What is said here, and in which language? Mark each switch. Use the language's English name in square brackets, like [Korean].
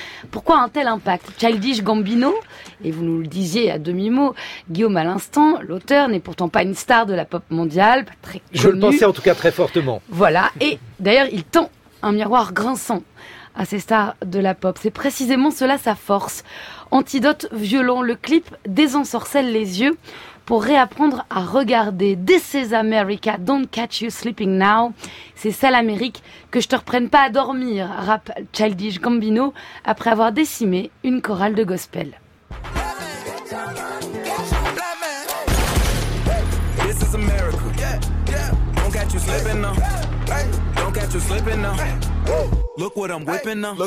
[French] Pourquoi un tel impact? Childish Gambino, et vous nous le disiez à demi-mot, Guillaume à l'instant, l'auteur n'est pourtant pas une star de la pop mondiale, pas très connu. Je le pensais en tout cas très fortement. Voilà, et d'ailleurs il tend un miroir grinçant à ces stars de la pop. C'est précisément cela sa force. Antidote violent, le clip désensorcelle les yeux pour réapprendre à regarder. [English] This is America, don't catch you sleeping now. [French] C'est ça l'Amérique, que je te reprenne pas à dormir, rappe Childish Gambino après avoir décimé une chorale de gospel. [English] This is America, don't catch you sleeping now. Don't catch you slipping now. Look what I'm whipping now.